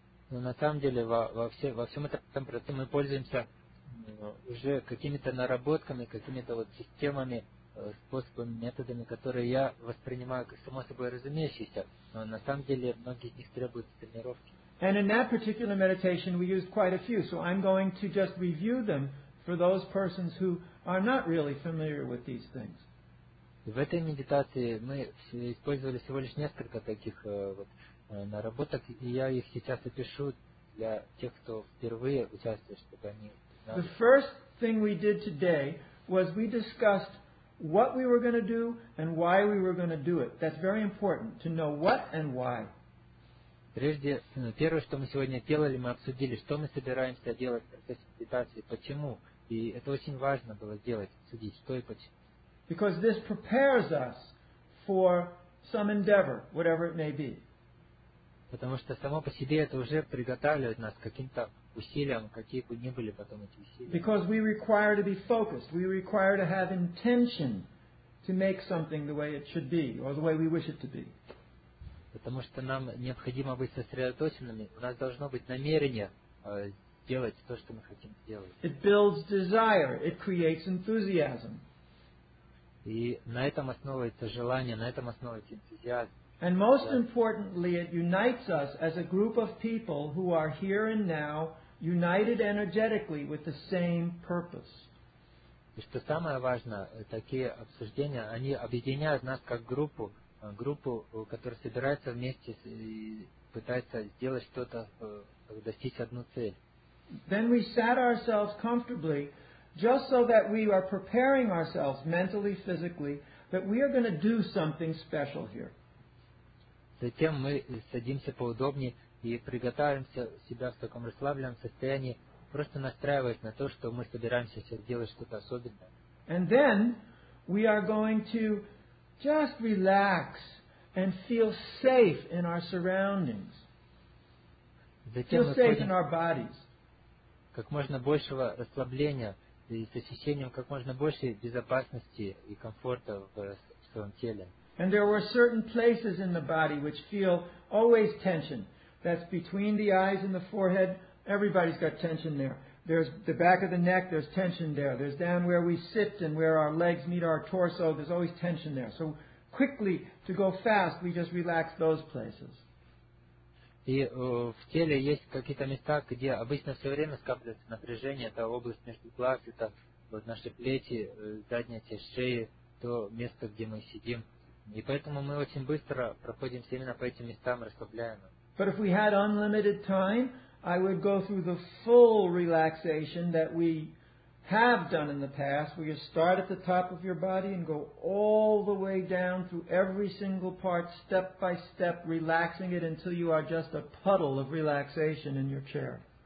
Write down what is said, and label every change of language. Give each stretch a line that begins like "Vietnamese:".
Russian: Но на самом деле во всем этом процессе мы пользуемся уже какими-то наработками, какими-то вот системами, способами, методами, которые я воспринимаю как само собой разумеющиеся, но на самом деле многие из них требуют тренировки.
English: And in that particular meditation, we used quite a few, so I'm going to just review them for those persons who are not really familiar with these things.
Russian: В этой медитации мы использовали всего лишь несколько таких вот наработок, и я их сейчас опишу для тех, кто впервые участвует, чтобы они знали.
English: The first thing we did today was we discussed what we were going to do and why we were going to do it. That's very important to know what and why.
Russian: Прежде, первое, что мы сегодня делали, мы обсудили, что мы собираемся делать в процессе медитации, почему. И это очень важно было сделать, обсудить, что и почему.
English: Because this prepares us for some endeavor, whatever it may be.
Russian: Потому что само по себе это уже приготавливает нас к каким-то усилиям, какие бы ни были потом эти усилия.
English: Because we require to be focused, we require to have intention to make something the way it should be, or the way we wish it to be.
Russian: Потому что нам необходимо быть сосредоточенными, у нас должно быть намерение делать то, что мы хотим делать.
English: It builds desire, it creates enthusiasm.
Russian: И на этом основывается желание, на этом основывается энтузиазм.
English: And most importantly, it unites us as a group of people who are here and now united energetically with the same purpose.
Russian: И что самое важное, такие обсуждения, они объединяют нас как группу, группу, которая собирается вместе и пытается сделать что-то, достичь одну цель.
English: Then we sat ourselves comfortably, just so that we are preparing ourselves mentally, physically, that we are going to do something special here.
Russian: Затем мы садимся поудобнее и приготавливаемся себя в таком расслабленном состоянии, просто настраиваясь на то, что мы собираемся сейчас делать что-то особенное.
English: And then we are going to just relax and feel safe in our surroundings.
Russian: Затем
English: feel safe in our bodies.
Russian: Как можно большего расслабления и с ощущением как можно больше безопасности и комфорта в своем теле.
English: And there were certain places in the body which feel always tension. That's between the eyes and the forehead. Everybody's got tension there. There's the back of the neck, there's tension there. There's down where we sit and where our legs meet our torso, there's always tension there. So quickly, to go fast, we just relax those places.
Russian: И в теле есть какие-то места, где обычно все время скапливается напряжение, это область между глаз, это вот наши плечи, задняя часть шеи, то место, где мы сидим. И поэтому мы очень быстро проходимся именно по этим местам, расслабляем их.
English: But if we had unlimited time, I would go through the full relaxation that we have done in the past, where you start at the top of your body and go all the way down through every single part, step by step, relaxing it until you are just a puddle of relaxation in your chair.